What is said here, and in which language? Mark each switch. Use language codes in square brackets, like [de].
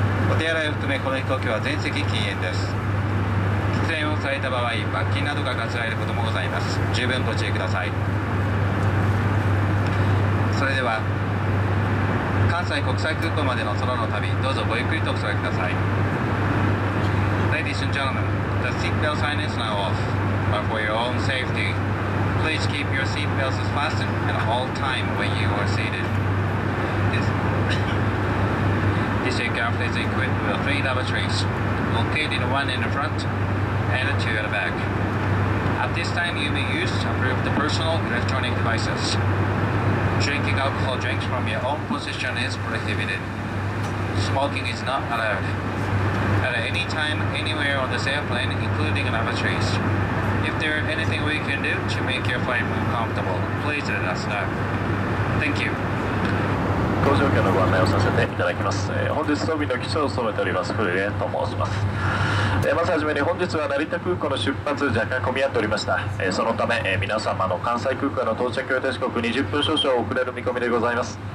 [ja] お手洗いを含めこの飛行機は全席禁煙です。喫煙をされた場合、罰金などが課せられることもございます。十分ご注意ください。それでは関西国際空港までの空の旅、どうぞごゆっくりとお座りください。 [en] Ladies and gentlemen, the seatbelt sign is now off. But for your own safety, please keep your seatbelts fastened at all time when you are seated. This aircraft is equipped with 3 lavatories, located 1 in the front and 2 at the back. At this time, you may use approved personal electronic devices. Drinking alcohol drinks from your own position is prohibited. Smoking is not allowed. Any time, anywhere on this airplane, including in lavatories. If there is anything we can do to make your flight more comfortable, please let us know. Thank you. [ja] 搭乗券のご案内をさせていただきます。本日装備の機長を務めておりますフレと申します。まずはじめに本日は成田空港の出発若干混み合っておりました。そのため、皆様の関西空港の到着予定時刻20分少々遅れる見込みでございます。